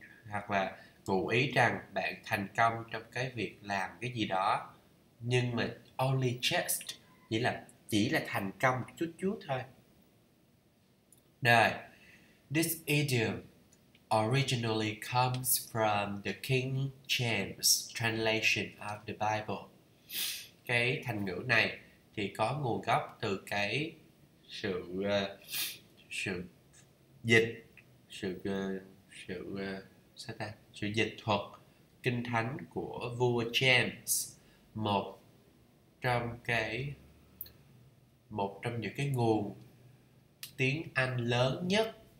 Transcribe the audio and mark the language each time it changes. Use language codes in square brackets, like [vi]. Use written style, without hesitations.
[vi] Hoặc là ngụ ý rằng bạn thành công trong cái việc làm cái gì đó, nhưng mà only just, nghĩa là chỉ là thành công một chút chút thôi. Rồi, [en] this idiom originally comes from the King James translation of the Bible. [vi] Cái thành ngữ này thì có nguồn gốc từ cái sự sự dịch sự sự sao ta sự dịch thuật kinh thánh của vua James, một trong những cái nguồn tiếng Anh lớn nhất